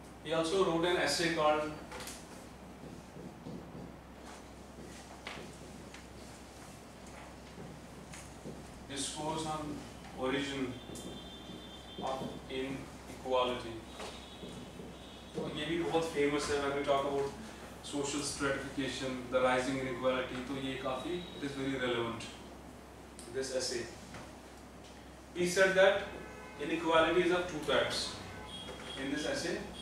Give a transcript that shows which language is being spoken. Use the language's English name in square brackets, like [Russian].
[English] He also wrote an essay called Discourse on Origin of Inequality. [Hindi] So, ये भी बहुत famous है. [English] When we talk about social stratification, the rising inequality, [Hindi] तो ये काफी, [English] it is very relevant, this essay. He said that inequality is of two types in this essay.